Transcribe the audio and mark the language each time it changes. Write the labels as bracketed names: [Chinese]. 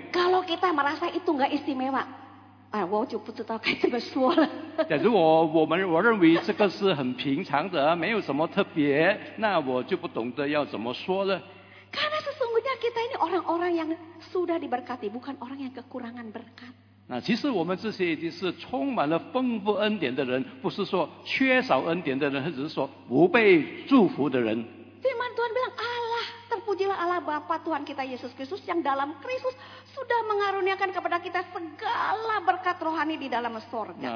[Indonesian] kalau kita merasa itu gak istimewa [Chinese] 我就不知道该怎么说了假如 我认为这个是很平常的没有什么特别那我就不懂得要怎么说了 [Indonesian] karena sesungguhnya kita ini orang-orang yang sudah diberkati bukan orang yang kekurangan berkat [Chinese] 其实我们这些已经是充满了丰富恩典的人不是说缺少恩典的人只是说不被祝福的人 [Indonesian] Firman Tuhan bilang Allah terpujilah Allah Bapa Tuhan kita Yesus Kristus yang dalam Kristus sudah mengaruniakan kepada kita segala berkat rohani di dalam surga